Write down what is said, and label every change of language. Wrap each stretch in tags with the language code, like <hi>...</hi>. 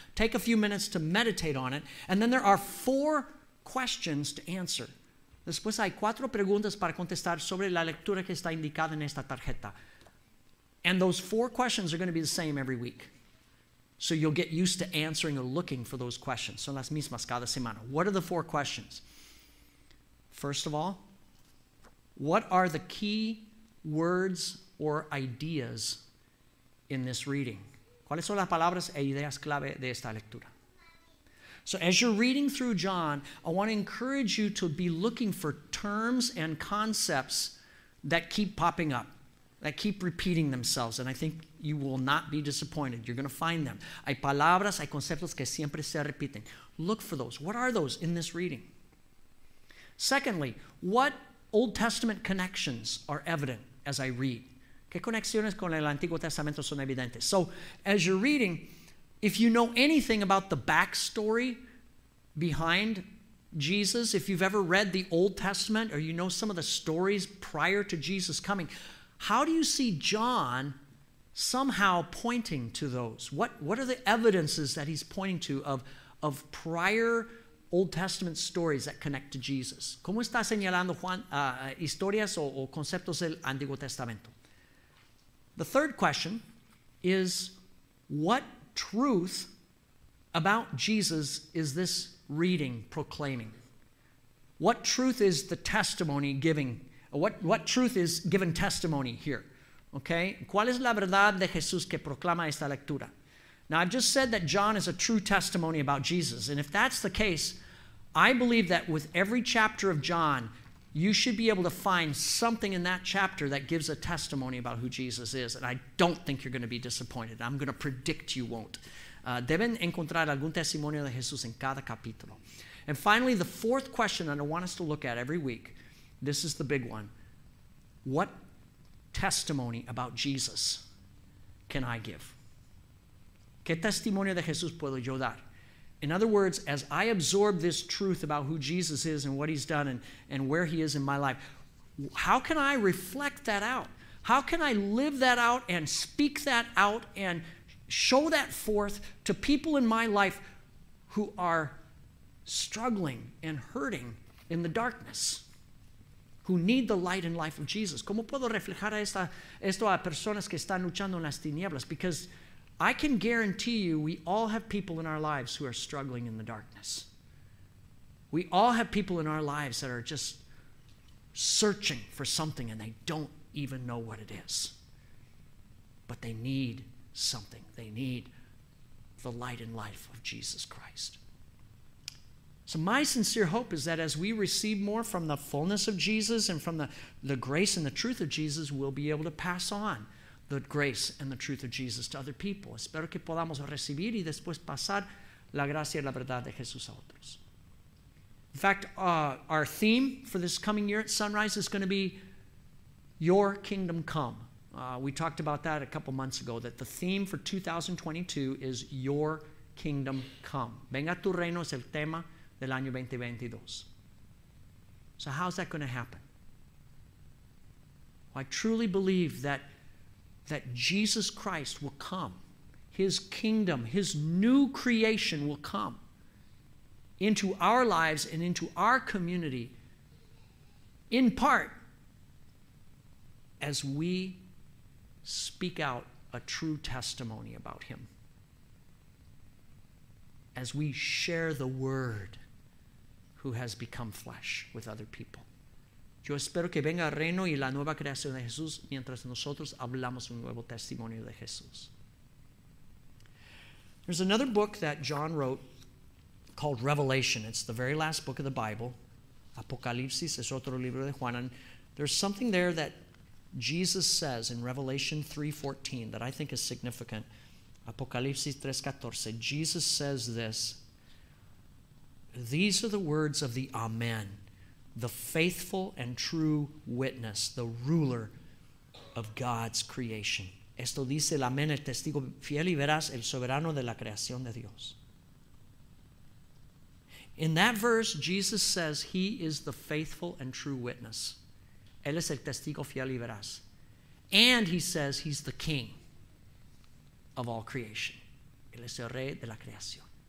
<en>Take a few minutes to meditate on it. And then there are four questions to answer.</en> <es>Después hay cuatro preguntas para contestar sobre la lectura que está indicada en esta tarjeta.</es> <en>And those four questions are going to be the same every week. So you'll get used to answering or looking for those questions.</en> <es>Son las mismas cada semana.</es> <en>What are the four questions? First of all, what are the key words or ideas in this reading?</en> <es>¿Cuáles son las palabras e ideas clave de esta lectura?</es> <en>So as you're reading through John, I want to encourage you to be looking for terms and concepts that keep popping up, that keep repeating themselves, and I think you will not be disappointed. You're going to find them.</en> <es>Hay palabras, hay conceptos que siempre se repiten.</es> <en>Look for those. What are those in this reading? Secondly, what Old Testament connections are evident as I read.</en> <es>¿Qué conexiones con el Antiguo Testamento son evidentes?</es> <en>So, as you're reading, if you know anything about the backstory behind Jesus, if you've ever read the Old Testament or you know some of the stories prior to Jesus coming, how do you see John somehow pointing to those? What are the evidences that he's pointing to of prior Old Testament stories that connect to Jesus?</en> <es>¿Cómo está señalando Juan historias o conceptos del Antiguo Testamento?</es> <en>The third question is, what truth about Jesus is this reading proclaiming? What truth is the testimony giving? What truth is given testimony here? Okay?</en> <es>¿Cuál es la verdad de Jesús que proclama esta lectura?</es> <en>Now, I've just said that John is a true testimony about Jesus, and if that's the case, I believe that with every chapter of John, you should be able to find something in that chapter that gives a testimony about who Jesus is. And I don't think you're going to be disappointed. I'm going to predict you won't.</en> <es>Deben encontrar algún testimonio de Jesús en cada capítulo.</es> <en>And finally, the fourth question that I want us to look at every week, this is the big one. What testimony about Jesus can I give?</en> <es>¿Qué testimonio de Jesús puedo yo dar?</es> <en>In other words, as I absorb this truth about who Jesus is and what he's done and where he is in my life, how can I reflect that out? How can I live that out and speak that out and show that forth to people in my life who are struggling and hurting in the darkness, who need the light and life of Jesus?</en> <es>¿Cómo puedo reflejar esto a personas que están luchando en las tinieblas?</es> <en>Because I can guarantee you we all have people in our lives who are struggling in the darkness. We all have people in our lives that are just searching for something and they don't even know what it is. But they need something. They need the light and life of Jesus Christ. So my sincere hope is that as we receive more from the fullness of Jesus and from the grace and the truth of Jesus, we'll be able to pass on the grace and the truth of Jesus to other people.</en> <es>Espero que podamos recibir y después pasar la gracia y la verdad de Jesús a otros.</es> <en>In fact, our theme for this coming year at Sunrise is going to be Your Kingdom Come. We talked about that a couple months ago, that the theme for 2022 is Your Kingdom Come.</en> <es>Venga tu reino es el tema del año 2022.</es> <en>So how's that going to happen? Well, I truly believe that Jesus Christ will come. His kingdom, his new creation will come into our lives and into our community in part as we speak out a true testimony about him. As we share the word who has become flesh with other people.</en> <es>Yo espero que venga el reino y la nueva creación de Jesús mientras nosotros hablamos un nuevo testimonio de Jesús.</es> <en>There's another book that John wrote called Revelation. It's the very last book of the Bible.</en> <es>Apocalipsis es otro libro de Juan.</es> <en>And there's something there that Jesus says in Revelation 3:14 that I think is significant. Apocalipsis 3:14. Jesus says this. These are the words of the Amen, the faithful and true witness, the ruler of God's creation.</en> <es>Esto dice el Amén, el testigo fiel y veraz, el soberano de la creación de Dios.</es> <en>In that verse, Jesus says he is the faithful and true witness.</en> <es>Él es el testigo fiel y veraz.</es> <en>And he says he's the king of all creation.</en> <es>Él es el rey de la creación.</es>